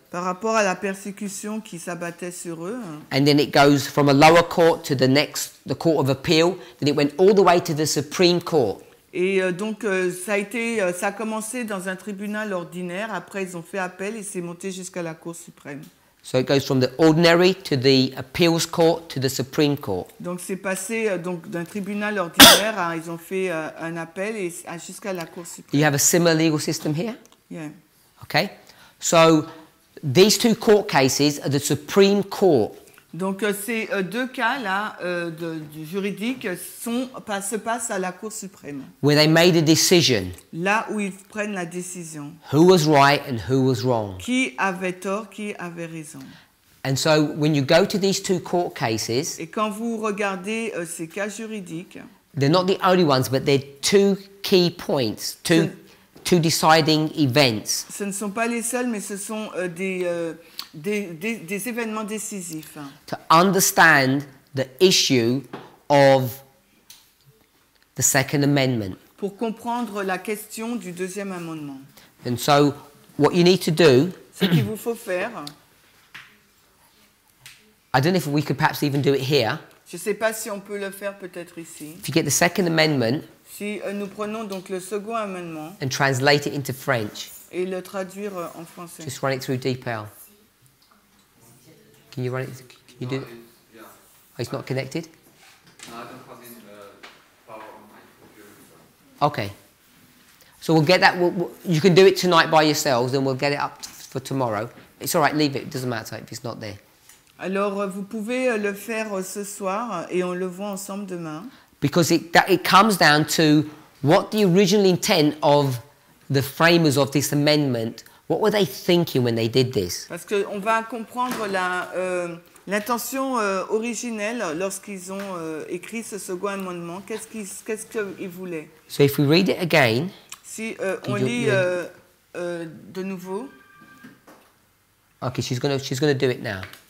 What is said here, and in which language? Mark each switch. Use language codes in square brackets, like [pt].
[fr] par rapport à la persécution qui s'abattait sur eux. [en] And then it goes from a lower court to the next, the court of appeal, then it went all the way to the Supreme Court. [fr] Et donc ça a commencé dans un tribunal ordinaire, après ils ont fait appel et c'est monté jusqu'à la Cour suprême. [en] So it goes from the ordinary to the appeals court to the Supreme Court. [fr] Donc c'est passé donc d'un tribunal ordinaire à ils ont fait un appel et jusqu'à la Cour suprême. [en] You have a similar legal system here? Yeah. Okay. So these two court cases are the Supreme Court. [fr] Donc ces deux cas là de juridiques se passent à la Cour suprême. [en] Where they made a decision. [fr] Là où ils prennent la décision. [en] Who was right and who was wrong? [fr] Qui avait tort, qui avait raison? [en] And so when you go to these two court cases. [fr] Et quand vous regardez ces cas juridiques. [en] They're not the only ones, but they're two key points, two deciding events. [fr] Ce ne sont pas les seuls, mais ce sont des événements décisifs. [en] To understand the issue of the Second Amendment. [fr] Pour comprendre la question du deuxième amendement. [en] And so, what you need to do. [fr] Ce qu'il vous faut faire. [en] I don't know if we could perhaps even do it here. [fr] Je ne sais pas si on peut le faire peut-être ici. [en] If you get the Second Amendment. [fr] Si nous prenons donc le second amendement. [en] And translate it into French. [fr] Et le traduire en français. [en] Just run it through DeepL. Can you run it? Can you do it? Yeah. Oh, it's not connected? No, I don't plug in the power on my computer. Okay. So we'll get that. You can do it tonight by yourselves, and we'll get it up for tomorrow. It's all right, leave it. It doesn't matter if it's not there. [fr] Alors, vous pouvez le faire ce soir, et on le voit ensemble demain. [en] Because it comes down to what the original intent of the framers of this amendment. What were they thinking when they did this? [fr] Parce que on va comprendre l'intention originelle lorsqu'ils ont écrit ce second amendement. Qu'est-ce qu'ils voulaient? [en] So if we read it again. [fr] Si on lit de nouveau. [en] Okay, she's gonna do it now.